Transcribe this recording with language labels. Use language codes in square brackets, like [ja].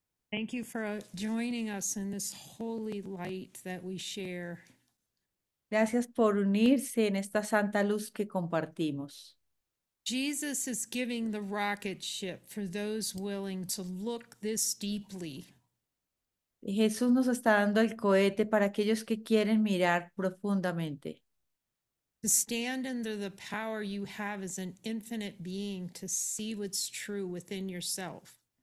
[en] Thank you for joining us in this holy light that we share. [es] Gracias por unirse en esta santa luz que compartimos. [en] Jesus is giving the rocket ship for those willing to look this deeply. [es] Jesús nos está dando el cohete para aquellos que quieren mirar profundamente. [en] To stand under the power you have as an infinite being to see what's true within yourself.